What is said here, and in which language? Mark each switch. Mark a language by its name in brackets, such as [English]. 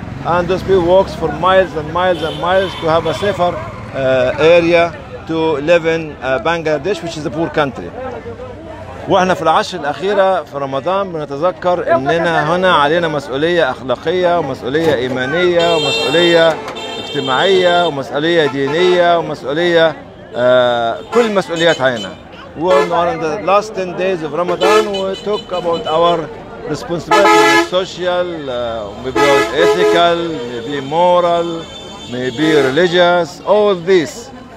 [English] And those people walk for miles and miles and miles to have a safer area to live in Bangladesh, which is a poor country. [Arabic] واحنا في العشر الاخيره في رمضان بنتذكر اننا هنا علينا مسؤوليه اخلاقيه ومسؤوليه ايمانيه ومسؤوليه اجتماعيه ومسؤوليه دينيه ومسؤوليه كل مسؤوليات علينا. [English] We're on the last 10 days of Ramadan, we talk about our responsibility social, maybe ethical, maybe moral, maybe religious, all this.